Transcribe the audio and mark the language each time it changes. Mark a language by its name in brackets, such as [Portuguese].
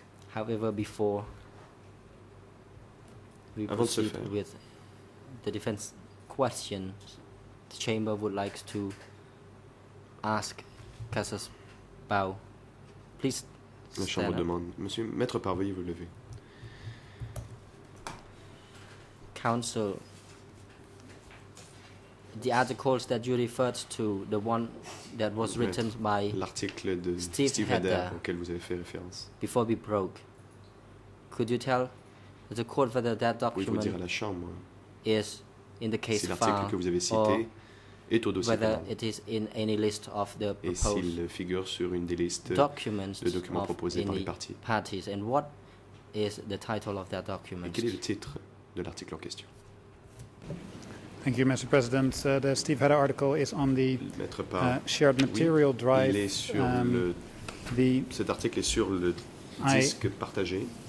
[English] However, before we proceed with the defense question, the chamber would like to ask Cassius Bao, please. [French] La chambre demande. Monsieur Maître Parvey, veuillez vous lever. [English] Counsel, the articles that you referred to, the one that was written by [French] l'article de Steve Hedder auquel vous avez fait référence. [English] Before we broke, could you tell the court whether that document [French] dire à la chambre, [English] is in the case file? [French] C'est l'article que vous avez cité. Est au dossier [English] whether it is in any list of the proposed documents, [French] de documents proposés [English] any [French] par les parties. [English] Parties, and what is the title of that document? [French] Et quel est le titre de l'article en question? [English] Thank you, Mr. President. The Steve Hedder article is on the shared material drive. [French] Il est sur cet article est sur le disque partagé.